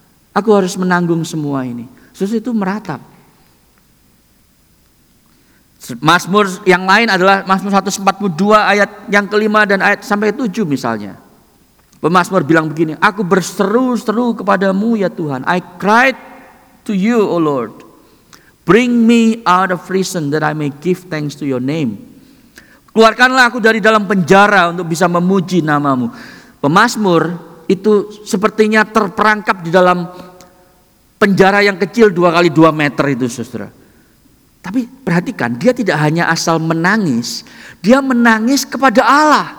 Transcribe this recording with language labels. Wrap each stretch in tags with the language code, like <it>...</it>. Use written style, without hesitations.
<id>Aku harus menanggung semua ini. Terus itu meratap. Mazmur yang lain adalah Mazmur 142 ayat yang kelima dan ayat sampai tujuh misalnya. Pemazmur bilang begini, aku berseru-seru kepadamu ya Tuhan.</id> <en>I cried to you, O Lord. Bring me out of prison that I may give thanks to your name.</en> <id>Keluarkanlah aku dari dalam penjara untuk bisa memuji namamu. Pemazmur itu sepertinya terperangkap di dalam penjara yang kecil 2x2 meter itu, saudara. Tapi perhatikan, dia tidak hanya asal menangis, dia menangis kepada Allah.</id>